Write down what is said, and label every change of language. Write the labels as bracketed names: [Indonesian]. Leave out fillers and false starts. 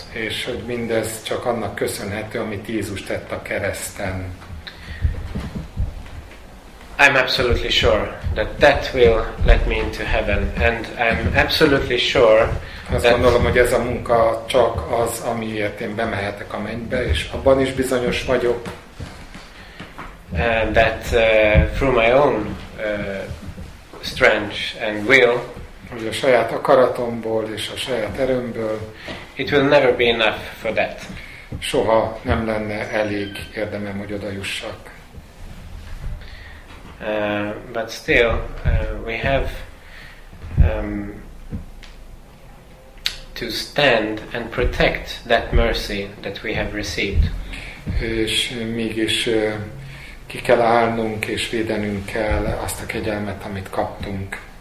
[Hungarian] És hogy mindez csak annak köszönhető, amit Jézus tett a kereszten. [English] I'm absolutely sure that will let me into heaven. And I'm absolutely sure [Hungarian] azt gondolom, hogy ez a munka csak az, amiért én bemehetek a mennybe, és abban is bizonyos vagyok. [English] And that through my own strength and will, [Hungarian] hogy a saját akaratomból és a saját erőmből. [English] It will never be enough for that. [Hungarian] Soha nem lenne elég érdemem, hogy oda jussak. [English] But still, we have to stand and protect that mercy that we have received. [Hungarian] És mégis ki kell állnunk és védenünk kell azt a kegyelmet, amit kaptunk.